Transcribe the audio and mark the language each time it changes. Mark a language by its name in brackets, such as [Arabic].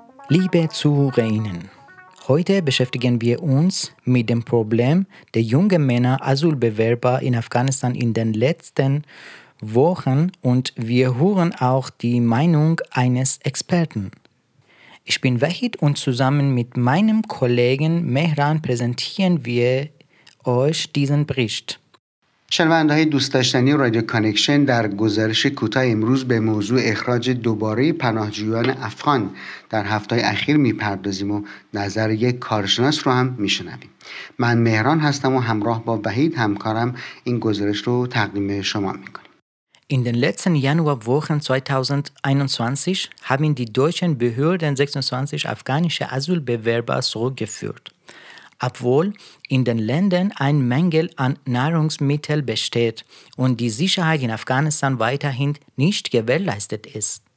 [German] Liebe Zuhörerinnen, heute beschäftigen wir uns mit dem Problem der jungen Männer Asylbewerber in Afghanistan in den letzten Wochen und wir hören auch die Meinung eines Experten. Ich bin Wahid und zusammen mit meinem Kollegen Mehran präsentieren wir euch diesen Bericht. [Persian] شنونده های دوست داشتنی رادیو کانکشن در گزارش کوتاه امروز به موضوع اخراج دوباره پناهجویان افغان در هفته اخیر میپردازیم و نظر یک کارشناس رو هم میشنویم. من مهران هستم و همراه با وحید همکارم این گزارش رو تقدیم شما میکنیم. [German] In den letzten Januarwochen 2021 haben die deutschen Behörden 26 afghanische Asylbewerber zurückgeführt. Obwohl in den Ländern ein Mangel an Nahrungsmitteln besteht und die Sicherheit in Afghanistan weiterhin nicht gewährleistet ist.